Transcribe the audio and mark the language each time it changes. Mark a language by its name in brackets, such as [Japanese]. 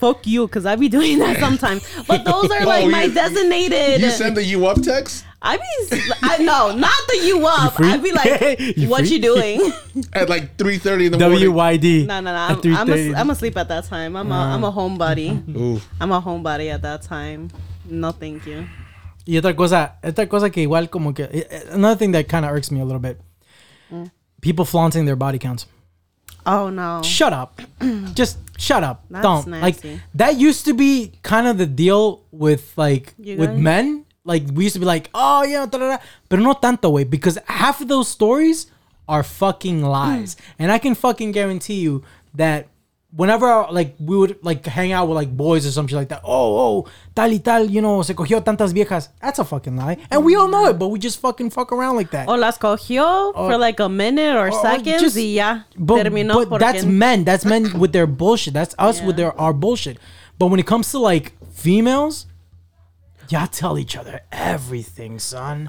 [English] Fuck you, because I be doing that sometimes. But those are like my designated. You send the you up text? I mean, I know, not the you up. I'd be like, you doing? At like 3:30 in the morning. W-Y-D. No. I'm asleep at that time. I'm a homebody. I'm a homebody at that time. No, thank you. [Spanish] Y otra cosa que igual como que... [English] Another thing that kind of irks me a little bit. People flaunting their body counts. Oh, no. Shut up. Just shut up. That's don't. Nasty. Like, that used to be kind of the deal with, like, with men. Like, we used to be like, oh, yeah, da-da-da. [Spanish] Pero no tanto, güey. [English] Because half of those stories are fucking lies. And I can fucking guarantee you that whenever, like, we would, like, hang out with, like, boys or something like that. [Spanish] Oh, tal y tal, you know, se cogió tantas viejas. [English] That's a fucking lie. And we all know it, but we just fucking fuck around like that. [Spanish] O las cogió [English] for, like, a minute or seconds. Just, [Spanish] y ya [English] but, [Spanish] terminó. [English] But that's men. That's men with their bullshit. That's us with our bullshit. But when it comes to, like, females... Y'all tell each other everything, son.